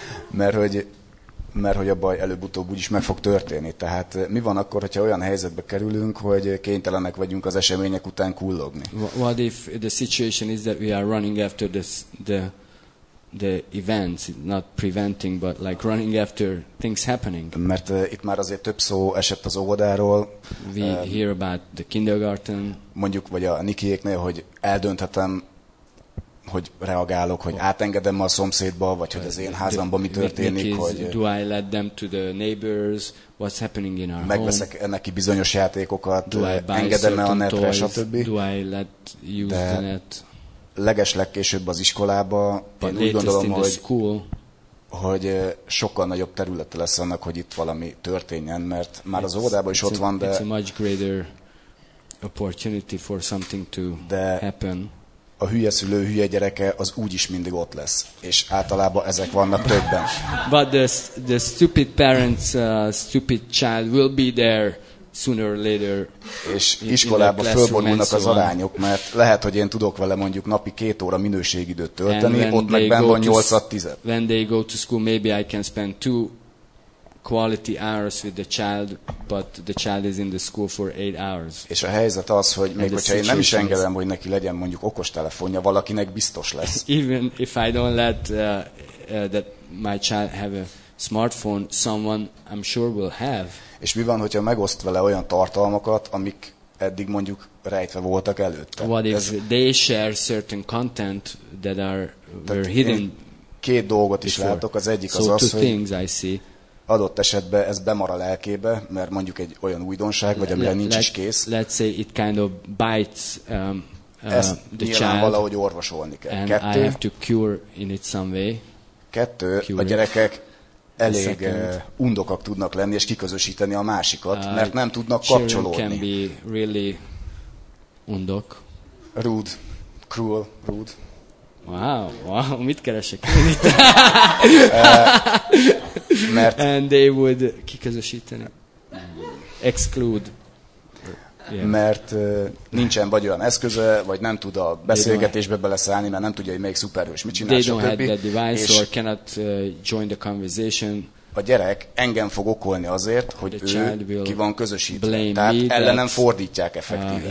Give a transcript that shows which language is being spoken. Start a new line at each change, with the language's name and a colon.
Hungarian: Mert hogy a baj előbb-utóbb úgyis meg fog történni. Tehát mi van akkor, hogyha olyan helyzetbe kerülünk, hogy kénytelenek vagyunk az események után kullogni?
English: What if the situation is that we are running after the events, not preventing, but like running after things happening?
Hungarian: Mert itt már azért több szó esett az óvodáról.
English: We hear about the kindergarten.
Hungarian: Mondjuk, vagy a Nikiéknél, hogy eldönthetem, hogy reagálok, hogy átengedem a szomszédba, vagy hogy az én házamban mi történik, hogy
English: do I let them to the neighbors, what's happening in our home?
Hungarian: Megveszek neki bizonyos játékokat, engedem-e a netre, stb.
English: Do I let use the net?
Hungarian: Legeslegkésőbb az iskolába, én úgy gondolom, hogy sokkal nagyobb területe lesz annak, hogy itt valami történjen, mert már az óvodában is ott van, de
English: it's a much greater opportunity for something to happen.
Hungarian: A hülye szülő, hülye gyereke, az úgyis mindig ott lesz. És általában ezek vannak többen.
English: But the stupid parents, stupid child will be there sooner or later.
Hungarian: És iskolában fölborulnak az arányok, mert lehet, hogy én tudok vele mondjuk napi 2 óra minőségidőt tölteni, ott meg benne van 8-10.
English: When they go to school, maybe I can spend 2 quality hours with the child, but the child is in the school for 8 hours.
Hungarian: És a helyzet az, hogy még hogyha én nem is engedem, hogy neki legyen mondjuk okostelefonja, valakinek biztos lesz.
English: Even if I don't let that my child have a smartphone, someone I'm sure will have.
Hungarian: És mi van, hogyha megoszt vele olyan tartalmakat, amik eddig mondjuk rejtve voltak előtte?
English: What if they share certain content that are were hidden?
Hungarian: Két dolgot is látok, az egyik
English: so
Hungarian: az, hogy
English: things I see.
Hungarian: Adott esetben ez bemar a lelkébe, mert mondjuk egy olyan újdonság, vagy amire nincs is kész.
English: Let's say it kind of bites the child.
Hungarian: Ezt valahogy orvosolni kell.
English: And
Hungarian: kettő,
English: I have to cure in it some way.
Hungarian: Kettő, a gyerekek elég undokak tudnak lenni, és kiközösíteni a másikat, mert nem tudnak kapcsolódni.
English: Children can be really undok. Rude. Cruel. Rude.
Hungarian: Wow, mit keresek én itt? Mert
English: and they would kiközösíteni. Exclude. Yeah.
Hungarian: Mert nincsen vagy olyan eszköze, vagy nem tud a beszélgetésbe beleszállni, mert nem tudja, hogy melyik szuperhős mit csinál,
English: they don't have that device or cannot join the conversation.
Hungarian: A gyerek engem fog okolni azért, hogy ő ki van közösítve. Tehát ellenem fordítják effektíve.